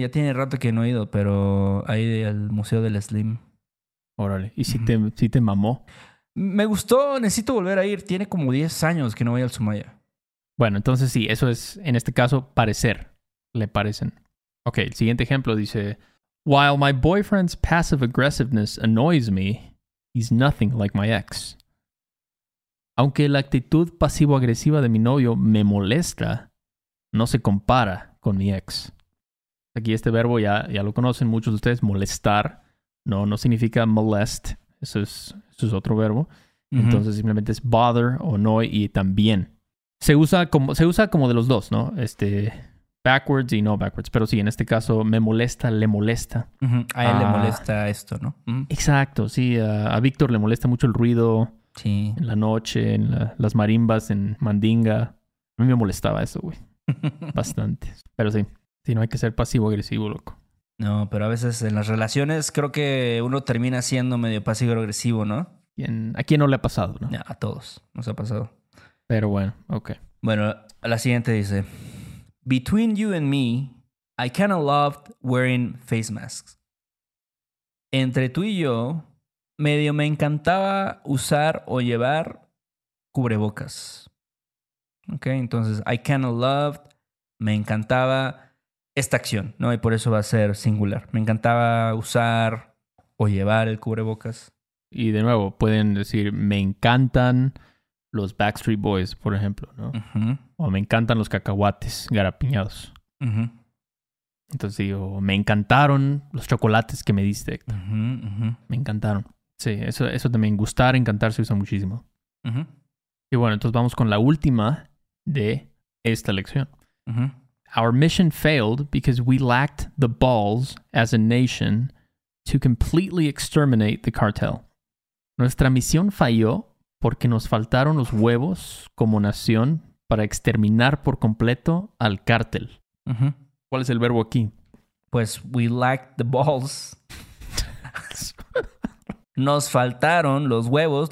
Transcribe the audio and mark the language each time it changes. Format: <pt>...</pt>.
<es>Ya tiene rato que no he ido, pero ahí al Museo del Slim. Órale. ¿Y si si te mamó? Me gustó. Necesito volver a ir. Tiene como 10 años que no voy al Sumaya. Bueno, entonces sí. Eso es, en este caso, parecer. Le parecen. Ok, el siguiente ejemplo dice...</es> <en>While my boyfriend's passive aggressiveness annoys me, he's nothing like my ex.</en> <es>Aunque la actitud pasivo-agresiva de mi novio me molesta, no se compara con mi ex. Aquí este verbo ya lo conocen muchos de ustedes, molestar. No significa molest. Eso es otro verbo. Uh-huh. Entonces simplemente es bother o annoy y también. Se usa como de los dos, ¿no? Backwards y no backwards. Pero sí, en este caso, me molesta, le molesta. Uh-huh. A él le molesta esto, ¿no? Uh-huh. Exacto, sí. A Víctor le molesta mucho el ruido. Sí. En la noche, en las marimbas, en Mandinga. A mí me molestaba eso, güey. Bastante. Pero sí. Sí, no hay que ser pasivo-agresivo, loco. No, pero a veces en las relaciones creo que uno termina siendo medio pasivo-agresivo, ¿no? ¿A quién no le ha pasado, ¿no? A todos nos ha pasado. Pero bueno, ok. Bueno, la siguiente dice...</es> <en>Between you and me, I kinda loved wearing face masks.</en> <es>Entre tú y yo, medio me encantaba usar o llevar cubrebocas. Ok, entonces,</es> <en>I kinda loved,</en> <es>me encantaba esta acción, ¿no? Y por eso va a ser singular. Me encantaba usar o llevar el cubrebocas. Y de nuevo, pueden decir, me encantan los Backstreet Boys, por ejemplo, ¿no? Uh-huh. O me encantan los cacahuates garapiñados. Uh-huh. Entonces digo, me encantaron los chocolates que me diste. Uh-huh, uh-huh. Me encantaron. Sí, eso también, gustar, encantar, se usa muchísimo. Uh-huh. Y bueno, entonces vamos con la última de esta lección. Uh-huh.</es> <en>Our mission failed because we lacked the balls as a nation to completely exterminate the cartel.</en> <es>Nuestra misión falló porque nos faltaron los huevos como nación para exterminar por completo al cártel. Uh-huh. ¿Cuál es el verbo aquí?</es> <en>Pues, we lacked the balls.</en> <es>Nos faltaron los huevos.</es>